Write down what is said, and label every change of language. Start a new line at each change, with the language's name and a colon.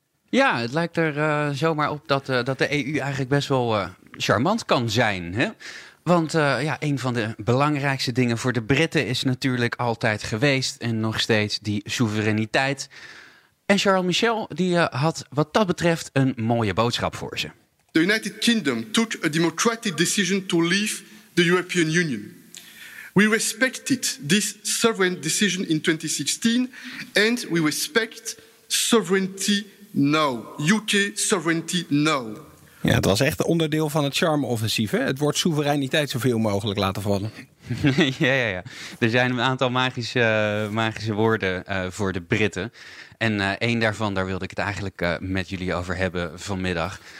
Dutch: Ja, het lijkt er zomaar op dat de EU eigenlijk best wel charmant kan zijn, hè? Want een van de belangrijkste dingen voor de Britten is natuurlijk altijd geweest en nog steeds die soevereiniteit. En Charles Michel die had wat dat betreft een mooie boodschap voor ze.
English: The United Kingdom took a democratic decision to leave the European Union. We respected this sovereign decision in 2016 and we respect sovereignty now. UK sovereignty now.
Dutch: Ja, het was echt onderdeel van het charme-offensief, hè? Het woord soevereiniteit zoveel mogelijk laten vallen. Ja. Er zijn een aantal magische woorden voor de Britten. En één daarvan, daar wilde ik het eigenlijk met jullie over hebben vanmiddag.